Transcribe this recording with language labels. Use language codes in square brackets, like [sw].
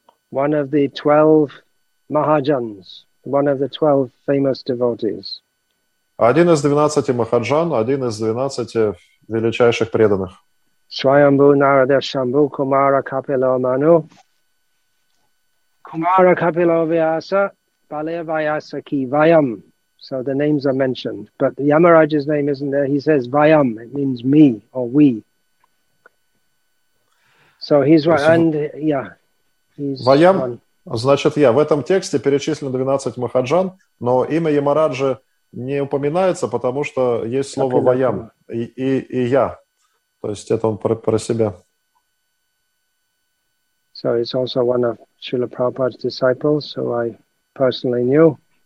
[en] One of the 12 Mahajans, one of the 12 famous devotees. [ru] Один из 12 Mahajan, один из 12 величайших преданных. [sa] Swayambhu Narada Shambhu Kumara Kapilo Manu Kumara Kapilo Vyasa Balaya Vyasa Ki Vayam. [en] So the names are mentioned, but Yamaraj's name isn't there. He says Vayam, it means me or we. So he's right, and yeah, he's [ru] Vayam, значит, я. В этом тексте перечислено 12 махаджан, но имя Ямараджи не упоминается, потому что есть слово Vayam и я. То есть это он про себя. [en] So it's also one of Srila Prabhupada's disciples, who I personally knew.